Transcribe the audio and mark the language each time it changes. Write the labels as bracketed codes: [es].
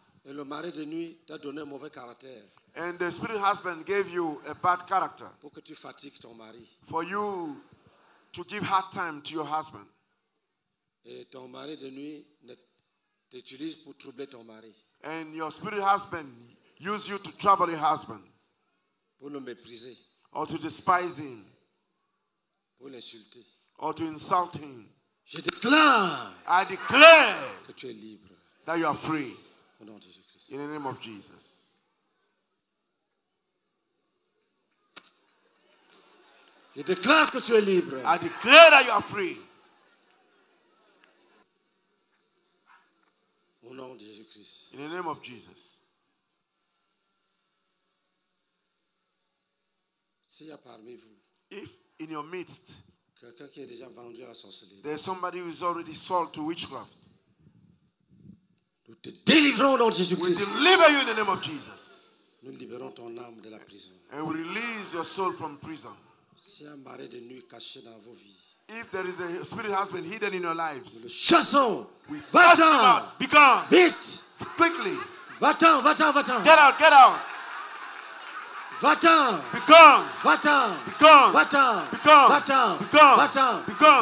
[fr] et le mari de nuit t'a donné un mauvais caractère, [en] and the spirit husband gave you a bad character, [fr] pour que tu fatigues ton mari, [en] for you to give hard time to your husband, [fr] et ton mari de nuit ne t'utilise pour troubler ton mari, [en] and your spirit husband use you to trouble your husband, [fr] pour le mépriser, [en] or to despise him, [fr] pour l'insulter, [en] or to insult him. [fr] Je déclare, [en] I declare [fr] que tu es libre. [en] That you are free. [fr] Au nom de Jésus-Christ. [en] In the name of Jesus. [fr] Je déclare que tu es libre. [en] I declare that you are free. [fr] Au nom de Jésus-Christ. [en] In the name of Jesus. [fr] S'il y a parmi vous, [en] if in your midst, [fr] quelqu'un qui est déjà vendu à la sorcellerie. [en] There's somebody who is already sold to witchcraft. [fr] Nous te délivrons dans Jésus-Christ. [en] We deliver you in the name of Jesus. [fr] Nous libérons ton âme de la prison. [en] And we release your soul from prison. [fr] Si un mari de nuit caché dans vos vies. [en] If there is a spirit has been hidden in your lives. [fr] Nous le chassons. [en] We cast him out. Be gone. [fr] Vite. [en] Quickly. [fr] Va-t'en, va-t'en, va-t'en. [en] Get out, get out. [fr] Va-t'en. [en] Be gone. [fr] Va-t'en. [en] Be gone. [fr] Va-t'en. [en] Be gone. [fr] Va-t'en. [en] Be gone. [fr] Va-t'en. [en] Be gone.